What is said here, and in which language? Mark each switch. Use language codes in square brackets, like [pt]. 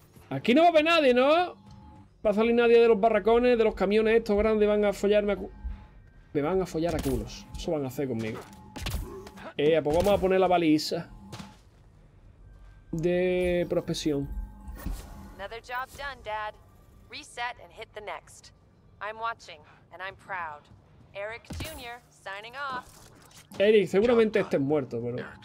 [es] Aquí no va a haber nadie, ¿no? Va a salir nadie de los barracones, de los camiones estos grandes. Van a follarme a culos. Me van a follar a culos. Eso van a hacer conmigo. Pues vamos a poner la baliza de prospección. [en] Another job done, Dad. Reset and hit the next. I'm watching and I'm proud. Eric Jr. signing off. [es] Eric, seguramente estés muerto, pero.